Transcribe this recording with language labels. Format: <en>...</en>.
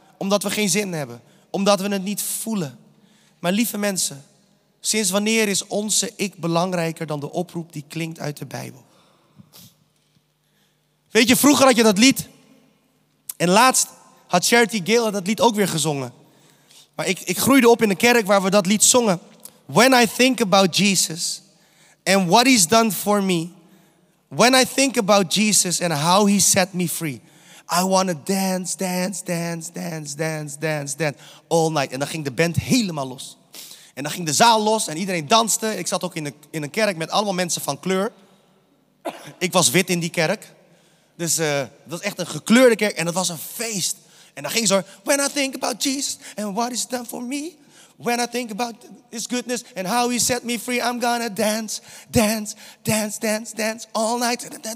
<nl>Omdat we geen zin hebben. Omdat we het niet voelen. Maar lieve mensen, sinds wanneer is onze ik belangrijker dan de oproep die klinkt uit de Bijbel? Weet je, vroeger had je dat lied. En laatst had Charity Gale dat lied ook weer gezongen. Maar ik groeide op in een kerk waar we dat lied zongen.</nl> <en>When I think about Jesus and what he's done for me. When I think about Jesus and how he set me free. I wanna dance, dance, dance, dance, dance, dance, dance. All night.</en> <nl>En dan ging de band helemaal los. En dan ging de zaal los en iedereen danste. Ik zat ook in een kerk met allemaal mensen van kleur. Ik was wit in die kerk. Dus het was echt een gekleurde kerk en het was een feest. En dan ging ze zo:</nl> <en>when I think about Jesus and what he's done for me. When I think about his goodness and how he set me free, I'm gonna dance, dance, dance, dance, dance all night.</en>